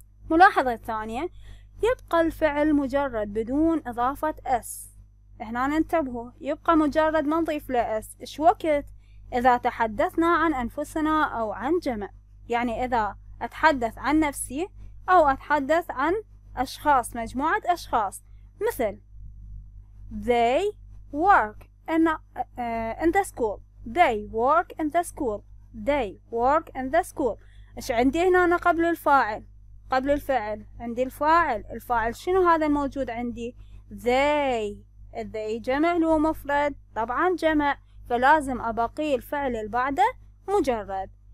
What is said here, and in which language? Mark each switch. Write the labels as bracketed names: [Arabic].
[Arabic] ملاحظة ثانية، يبقى الفعل مجرد بدون اضافة اس. هنا انتبهوا، يبقى مجرد ما نضيف له اس. ايش وقت؟ إذا تحدثنا عن أنفسنا أو عن جمع، يعني إذا أتحدث عن نفسي أو أتحدث عن أشخاص، مجموعة أشخاص. [English] مثل they work in the school they work in the school they work in the school. [Arabic] إيش عندي هنا أنا قبل الفاعل؟ قبل الفعل عندي الفاعل. الفاعل شنو هذا الموجود عندي؟ they. they جمع لو مفرد؟ طبعا جمع، فلازم أبقي الفعل البعدة مجرد.